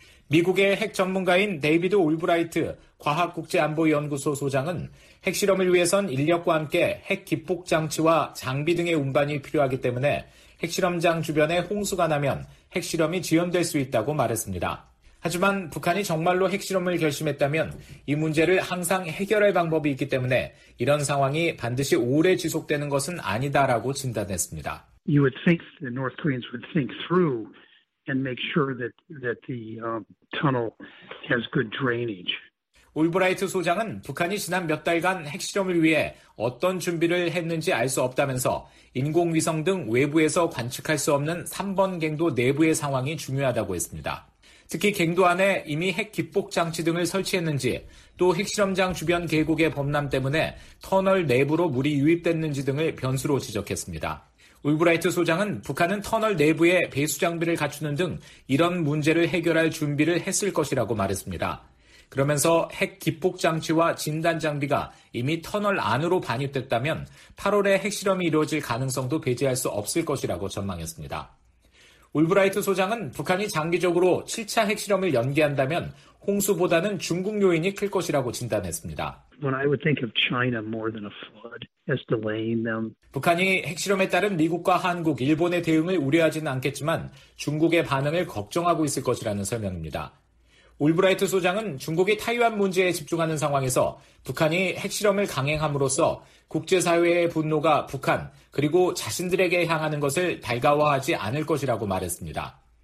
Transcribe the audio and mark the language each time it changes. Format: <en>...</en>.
<ko>미국의 핵 전문가인 데이비드 올브라이트 과학국제안보연구소 소장은 핵실험을 위해선 인력과 함께 핵 기폭 장치와 장비 등의 운반이 필요하기 때문에 핵실험장 주변에 홍수가 나면 핵실험이 지연될 수 있다고 말했습니다. 하지만 북한이 정말로 핵실험을 결심했다면 이 문제를 항상 해결할 방법이 있기 때문에 이런 상황이 반드시 오래 지속되는 것은 아니다라고 진단했습니다.</ko> <en>You would think the North Koreans would think through and make sure that the tunnel has good drainage.</en> <ko>올브라이트 소장은 북한이 지난 몇 달간 핵실험을 위해 어떤 준비를 했는지 알 수 없다면서 인공위성 등 외부에서 관측할 수 없는 3번 갱도 내부의 상황이 중요하다고 했습니다. 특히 갱도 안에 이미 핵 기폭 장치 등을 설치했는지 또 핵실험장 주변 계곡의 범람 때문에 터널 내부로 물이 유입됐는지 등을 변수로 지적했습니다. 울브라이트 소장은 북한은 터널 내부에 배수 장비를 갖추는 등 이런 문제를 해결할 준비를 했을 것이라고 말했습니다. 그러면서 핵 기폭 장치와 진단 장비가 이미 터널 안으로 반입됐다면 8월에 핵실험이 이루어질 가능성도 배제할 수 없을 것이라고 전망했습니다. 올브라이트 소장은 북한이 장기적으로 7차 핵실험을 연기한다면 홍수보다는 중국 요인이 클 것이라고 진단했습니다.</ko> <en>When I would think of China more than a flood as delaying them.</en> <ko>북한이 핵실험에 따른 미국과 한국, 일본의 대응을 우려하지는 않겠지만 중국의 반응을 걱정하고 있을 것이라는 설명입니다. 올브라이트 소장은 중국이 타이완 문제에 집중하는 상황에서 북한이 핵실험을 강행함으로써 국제사회의 분노가 북한 그리고 자신들에게 향하는 것을 달가워하지 않을 것이라고 말했습니다.</ko>